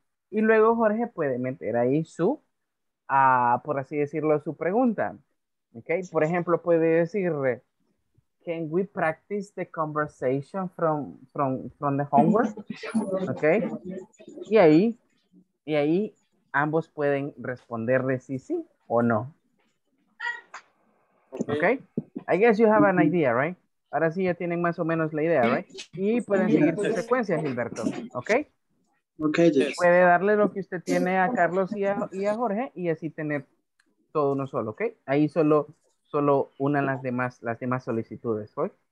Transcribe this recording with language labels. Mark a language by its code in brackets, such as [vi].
[es] Y luego Jorge puede meter ahí su, por así decirlo, su pregunta. Ok. Por ejemplo, puede decir, [en] can we practice the conversation from the homework? [es] Ok. Y ahí ambos pueden responderle sí, sí o no. [en] Okay. I guess you have an idea, right? [es] Ahora sí ya tienen más o menos la idea, ¿verdad? [en] Right? [es] Y pueden seguir su secuencia, Gilberto, ¿ok? Ok. Puede darle lo que usted tiene a Carlos y a Jorge y así tener todo uno solo, ¿ok? Ahí solo una las demás solicitudes, ¿ok?